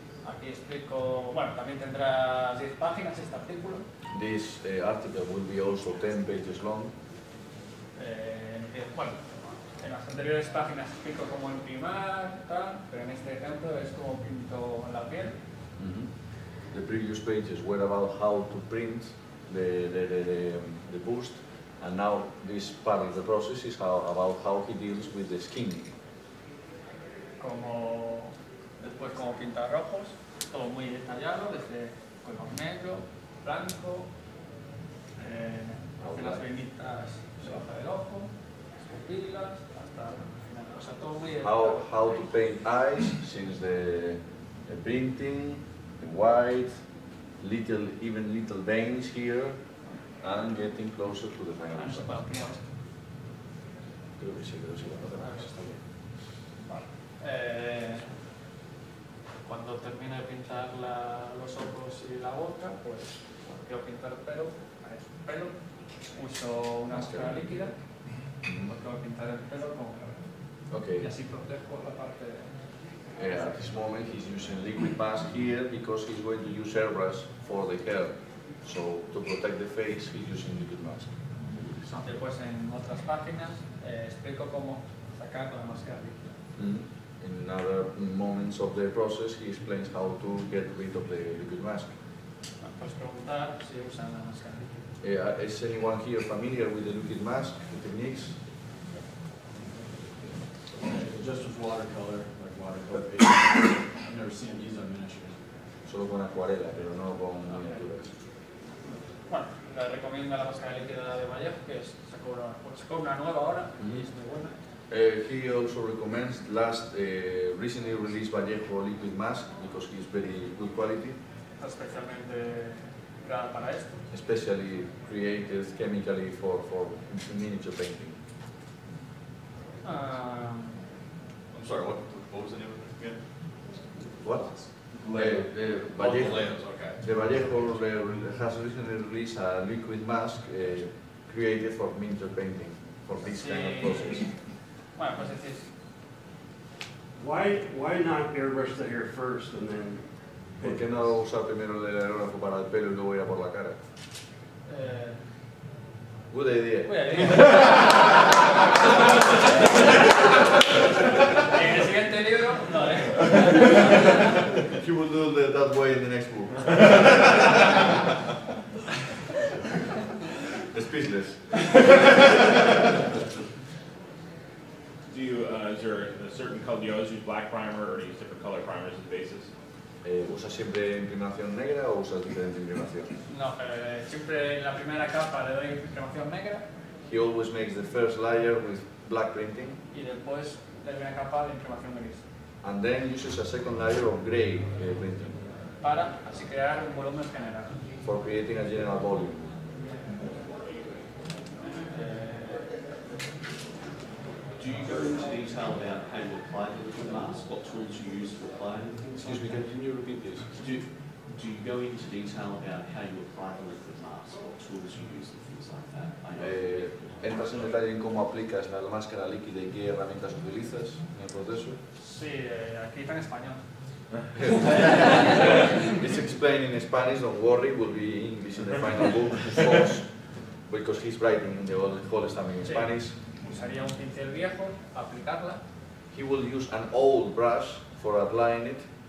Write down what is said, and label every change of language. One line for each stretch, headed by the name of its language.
Spanish: Aquí explico, bueno, también tendrá 10 páginas este artículo.
English: This article will be also 10 pages long.
Spanish: En las anteriores páginas explico cómo imprimar, tal, pero en este ejemplo es cómo pinto la piel.
English: The previous pages were about how to print the bust, and now this part of the process is about how he deals with the skin.
Spanish: Como después cómo pintar rojos. todo muy detallado, desde color negro, blanco, hace las venitas debajo del ojo, las pupilas, hasta o sea, todo muy detallado.
English: How to paint eyes since the printing, the white, little even little veins here, and getting closer to the final.
Spanish: Cuando termine de pintar los ojos y la boca, pues bueno, quiero pintar el pelo. Uso una máscara líquida. No quiero pintar el pelo con cabello.
English: Okay.
Spanish: Y así protejo la parte.
English: At this moment he's using liquid mask here because he's going to use airbrush for the hair. So to protect the face he's using liquid mask.
Spanish: Después en otras páginas explico cómo sacar la máscara líquida.
English: In other moments of the process he explains how to get rid of the liquid mask.
Spanish: ¿Puedes preguntar si usan la máscara líquida?
English: Is anyone here familiar with the liquid mask, the techniques? Just with watercolor. I've never seen these on miniatures.
Spanish: Solo con acuarela, pero no con miniaturas. Bueno, le recomiendo la máscara líquida de Vallejo, que se cobra nueva ahora, y es muy buena.
English: He also recommends recently released Vallejo liquid mask, because it's very good quality.
Spanish: Especialmente creada para esto.
English: Especially created chemically for miniature painting. I'm sorry, what? What was the name again? What? Vallejo. Oh, the Vallejo. The Vallejo has recently released a liquid mask created for miniature painting, for this kind of process. Why not airbrush the hair first and then?
Spanish: ¿Por qué no usar primero el aerógrafo para el pelo y luego ir a por la cara?
English: Good idea. She will do that way in the next book. Speechless. Do you is there a certain color? Do you always use black primer or do you use different color primers as bases?
Spanish: ¿Usa siempre imprimación negra o usa diferente imprimación? No, siempre en la primera capa le doy imprimación negra.
English: He always makes the first layer with black printing.
Spanish: Y después la primera capa de imprimación gris.
English: And then uses a second layer of gray printing.
Spanish: Para así crear un volumen general.
English: For creating a general volume. Do you go into detail about how you apply the liquid mask? What tools you use for applying things? Excuse me, can you repeat this? Do you go into detail about how you apply the liquid mask? What tools you use and things like that?
Spanish: ¿Entras en detalle en cómo aplicas la máscara líquida y qué herramientas utilizas en el proceso? Sí, aquí está en español.
English: It's explained in Spanish, don't worry, will be English in the final book, of course, because he's writing the whole stuff in Spanish.
Spanish: Usaría un pincel viejo, aplicarla.
English: He will use an old brush for applying it.